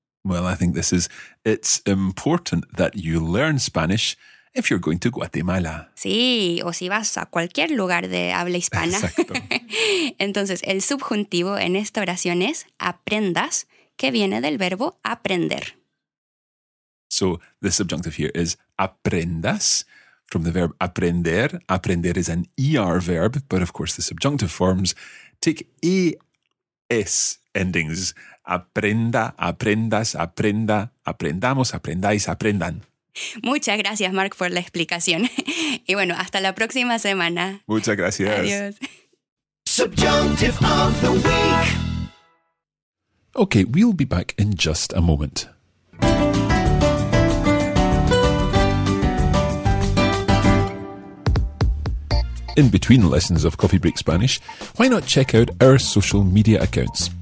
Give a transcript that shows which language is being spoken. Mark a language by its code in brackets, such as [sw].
[en] Well, I think this is, it's important that you learn Spanish if you're going to Guatemala. [es] Sí, o si vas a cualquier lugar de habla hispana. Exacto. Entonces, el subjuntivo en esta oración es aprendas, que viene del verbo aprender. [en] So, the subjunctive here is aprendas, from the verb aprender. Aprender is an ER verb, but of course the subjunctive forms take ES endings. [es] Aprenda, aprendas, aprenda, aprendamos, aprendáis, aprendan. Muchas gracias, Mark, por la explicación. Y bueno, hasta la próxima semana. Muchas gracias. Adiós. [en] Subjunctive of the Week. Okay, we'll be back in just a moment. In between lessons of Coffee Break Spanish, why not check out our social media accounts?